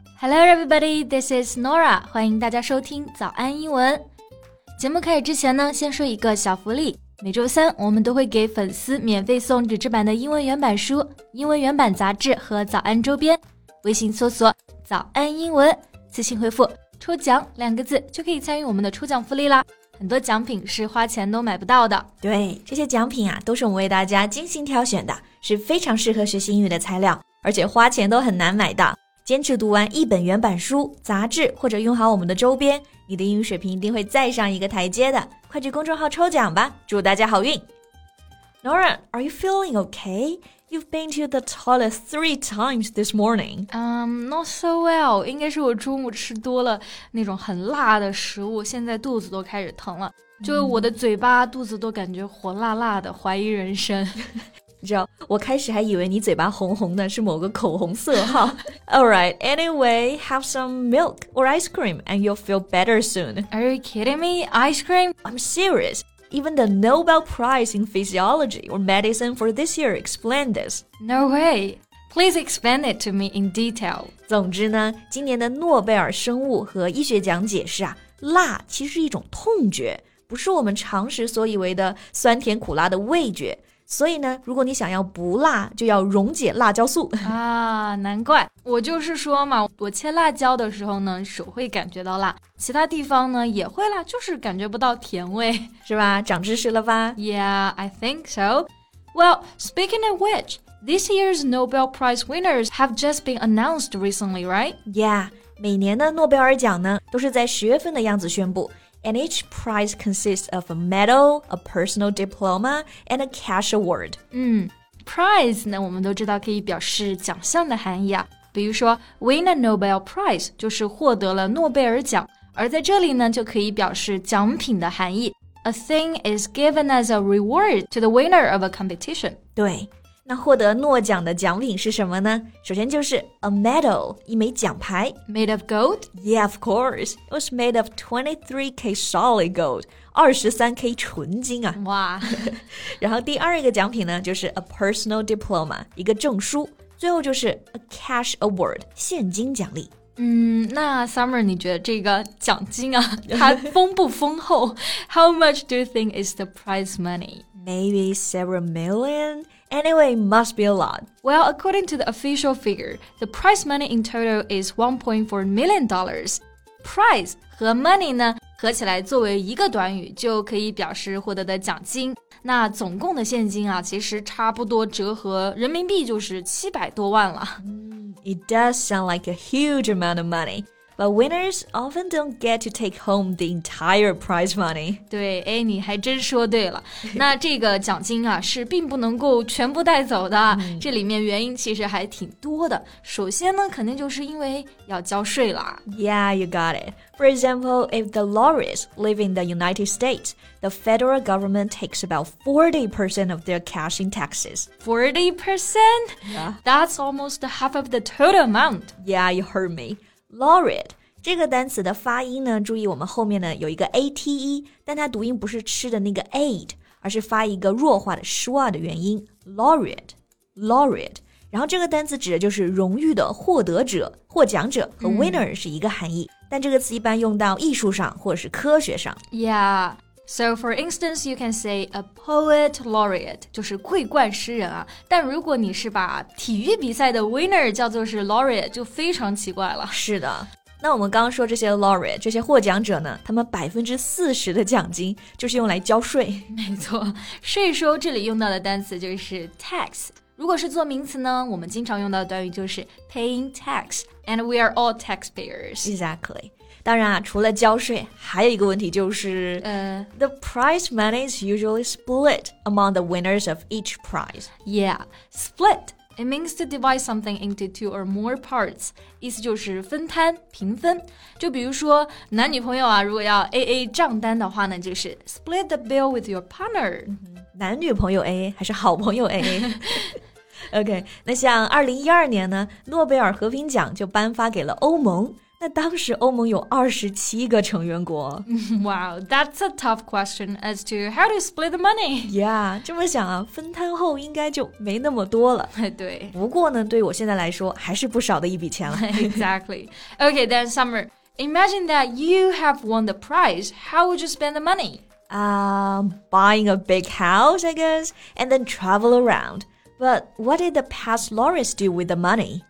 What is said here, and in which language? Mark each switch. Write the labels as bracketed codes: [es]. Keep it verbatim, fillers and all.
[en] Hello everybody, this is Nora. [zh] 欢迎大家收听早安英文。节目开始之前呢，先说一个小福利。每周三我们都会给粉丝免费送纸质版的英文原版书、英文原版杂志和早安周边。微信搜索早安英文，私信回复抽奖两个字就可以参与我们的抽奖福利啦。很多奖品是花钱都买不到的。对，这些奖品啊，都是我们为大家精心挑选的，是非常适合学习英语的材料，而且花钱都很难买到。坚持读完一本原版书、杂志，或者用好我们的周边，你的英语水平一定会再上一个台阶的。快去公众号抽奖吧，祝大家好运。 [en] Nora, are you feeling okay? You've been to the toilet three times this morning. Um, not so well. [zh] 应该是我中午吃多了那种很辣的食物，现在肚子都开始疼了，就我的嘴巴、肚子都感觉火辣辣的，怀疑人生。你知道，我开始还以为你嘴巴红红的是某个口红色号。 [en] Alright, anyway, have some milk or ice cream and you'll feel better soon. Are you kidding me? Ice cream? I'm serious. Even the Nobel Prize in Physiology or Medicine for this year explained this. No way. Please explain it to me in detail. [zh] 总之呢，今年的诺贝尔生物和医学奖解释啊，辣其实是一种痛觉，不是我们常识所以为的酸甜苦辣的味觉。所以呢，如果你想要不辣，就要溶解辣椒素啊！难怪我就是说嘛，我切辣椒的时候呢，手会感觉到辣，其他地方呢也会辣，就是感觉不到甜味，是吧？长知识了吧 [en] ？Yeah, I think so. Well, speaking of which, this year's Nobel Prize winners have just been announced recently, right? [zh] Yeah, 每年的诺贝尔奖呢，都是在十月份的样子宣布。 [en] And each prize consists of a medal, a personal diploma, and a cash award. [zh] 嗯 prize 呢，我们都知道可以表示奖项的含义啊。比如说 [en] win a Nobel Prize [zh] 就是获得了诺贝尔奖，而在这里呢就可以表示奖品的含义。 [en] A thing is given as a reward to the winner of a competition. [zh] 对，那获得诺奖的奖品是什么呢？首先就是 [en] a medal, [zh] 一枚奖牌。 [en] Made of gold? Yeah, of course. It was made of twenty-three K solid gold, [zh] 二十三 K 纯金啊。哇。然后第二个奖品呢，就是 [en] a personal diploma, [zh] 一个证书。最后就是 [en] a cash award, [zh] 现金奖励。嗯，那 Summer 你觉得这个奖金啊，它丰不丰厚？ [en] How much do you think is the prize money? Maybe several million? Anyway, must be a lot. Well, according to the official figure, the prize money in total is one point four million dollars. [zh] Prize 和 money 呢，合起来作为一个短语就可以表示获得的奖金。那总共的现金啊，其实差不多折合人民币就是七百多万了。 [en] It does sound like a huge amount of money. But winners often don't get to take home the entire prize money. [zh] 对，哎，你还真说对了。那这个奖金啊，是并不能够全部带走的。这里面原因其实还挺多的。首先呢，肯定就是因为要交税了。 [en] Yeah, you got it. For example, if the laureates live in the United States, the federal government takes about forty percent of their cash in taxes. forty percent? Yeah. That's almost half of the total amount. Yeah, you heard me. [zh] Laureate 这个单词的发音呢，注意我们后面呢有一个 ate， 但它读音不是吃的那个 ate， 而是发一个弱化的 schwa 的元音 laureate laureate。然后这个单词指的就是荣誉的获得者、获奖者和 winner 是一个含义，嗯，但这个词一般用到艺术上或者是科学上。 [en] Yeah. So, for instance, you can say a poet laureate, [zh] 就是桂冠诗人啊。但如果你是把体育比赛的 winner 叫做是 laureate, 就非常奇怪了。是的。那我们刚刚说这些 laureate, 这些获奖者呢，他们 百分之四十 的奖金就是用来交税。没错。税收这里用到的单词就是 tax。如果是做名词呢，我们经常用到的短语就是 [en] paying tax, and we are all taxpayers. Exactly. [zh] 当然啊，除了交税，还有一个问题就是，呃、uh, [en] ，the prize money is usually split among the winners of each prize. Yeah, split it means to divide something into two or more parts. [zh] 意思就是分摊、平分。就比如说男女朋友啊，如果要 A A 账单的话呢，就是 [en] split the bill with your partner. [zh] 男女朋友 A A 还是好朋友 A A？ OK， 那像二零一二年呢，诺贝尔和平奖就颁发给了欧盟。那当时欧盟有二十七个成员国。 [en] Wow, that's a tough question as to how to split the money. [zh] Yeah, 这么想啊，分摊后应该就没那么多了。对。不过呢，对我现在来说还是不少的一笔钱了。 [en] Exactly. Okay, then Summer, imagine that you have won the prize. How would you spend the money? Um, buying a big house, I guess, and then travel around. But what did the past laureates do with the money?